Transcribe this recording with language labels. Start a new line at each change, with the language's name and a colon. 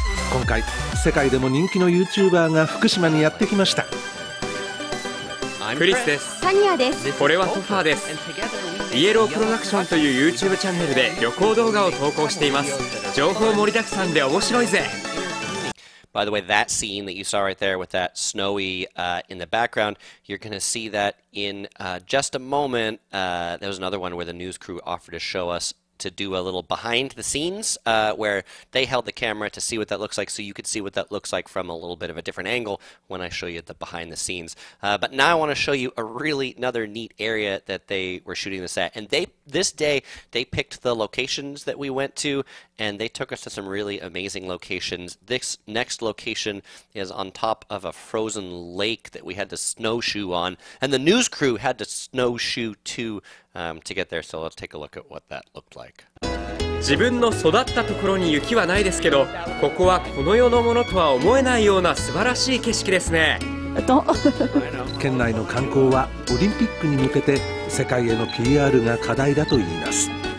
Japanese: 今回世界でも人気の YouTuber が福島にやってきました。クリスです。タニアです。これはソファーです。イエロープロダクションという YouTube チャンネルで旅行動画を投稿しています。情報盛りだくさんで面白いぜ。
English: By the way, that scene that you saw right there with that snowy in the background, you're going to see that in just a moment. There was another one where the news crew offered to show us to do a little behind the scenes where they held the camera to see what that looks like, so you could see what that looks like from a little bit of a different angle when I show you the behind the scenes. But now I want to show you a really another neat area that they were shooting this at. And this day they picked the locations that we went to, and they took us to some really amazing locations. This next location is on top of a frozen lake that we had to snowshoe on, and the news crew had to snowshoe too to get there, so let's take a look at what that looked like.
Japanese: 自分の育ったところに雪はないですけど、ここはこの世のものとは思えないような素晴らしい景色ですね。県内の観光はオリンピックに向けて世界への PR が課題だといいます。